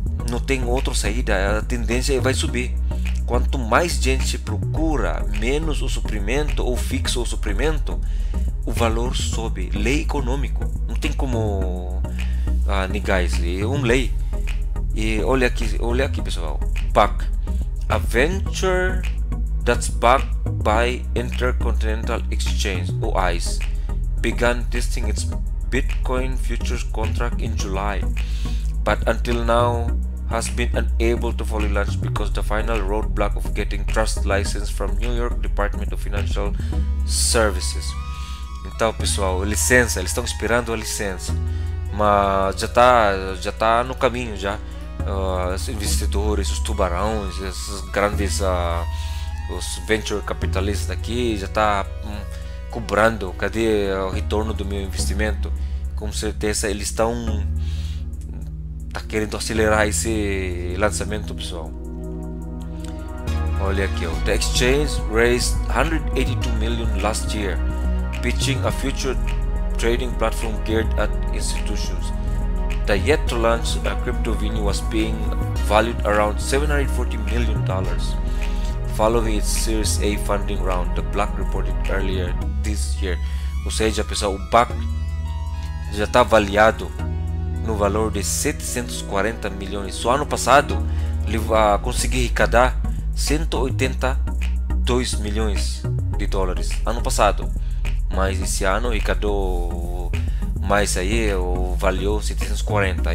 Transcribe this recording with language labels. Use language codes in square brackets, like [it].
[pt] Não tem outra saída, a tendência vai subir. Quanto mais gente procura, menos o suprimento, ou fixo o suprimento, o valor sobe. Lei econômico, não tem como negar isso, é uma lei. E olha aqui pessoal, back. [en] A venture that's backed by Intercontinental Exchange, ou ICE, began testing its Bitcoin futures contract in July, but until now has been unable to fully launch because the final roadblock of getting trust license from New York Department of Financial Services. [pt] Então pessoal, licença, eles estão esperando a licença, mas já tá no caminho já. Os investidores, os tubarões, esses grandes os venture capitalistas aqui já tá cobrando, cadê o retorno do meu investimento? Com certeza eles estão tá querendo acelerar esse lançamento, pessoal. Olha aqui, ó. [en] The exchange raised 182 million last year, pitching a future trading platform geared at institutions. The yet to launch crypto venue was being valued around $740 million following its Series A funding round, the BlackRock reported earlier this year. [pt] Ou seja, pessoal, o BAC já está avaliado no valor de 740 milhões. Só ano passado ele conseguiu arrecadar 182 milhões de dólares. Ano passado. Mas esse ano arrecadou mais aí, ou valeu 740.